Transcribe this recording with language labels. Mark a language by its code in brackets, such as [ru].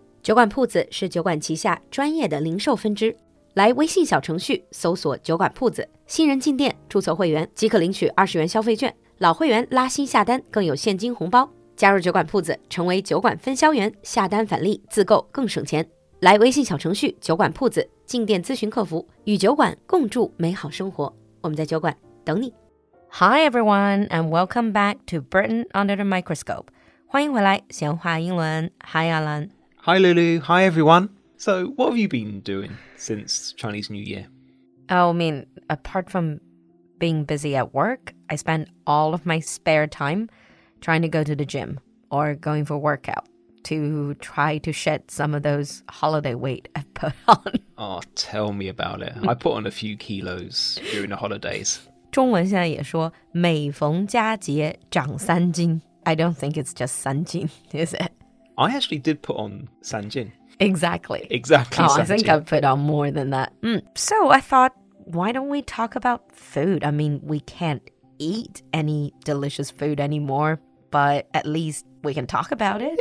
[zh] 酒馆铺子是酒馆旗下专业的零售分支。来微信小程序搜索酒馆铺子，新人进店注册会员即可领取20元消费券，老会员拉新下单更有现金红包。加入酒馆铺子，成为酒馆分销员，下单返利，自购更省钱。来微信小程序酒馆铺子，进店咨询客服，与酒馆共筑美好生活。我们在酒馆等你。 [en] Hi everyone, and welcome back to Britain Under the Microscope. [zh] 欢迎回来，闲话英伦。 [en] Hi Alan. Hi Lulu. Hi everyone. So, what have you been doing since Chinese New Year? Oh, I mean, apart from being busy at work, I spend all of my spare time trying to go to the gym or going for workout. To try to shed some of those holiday weight I've put on. Oh, tell me about it. I put on a few kilos during the holidays. [zh] 中文现在也说每逢佳节长三斤。 [en] I don't think it's just 三斤, is it? I actually did put on 三斤. Exactly. Exactly. Oh, I think I've put on more than that. So I thought, why don't we talk about food? I mean, we can't eat any delicious food anymore, but at least... We can talk about it.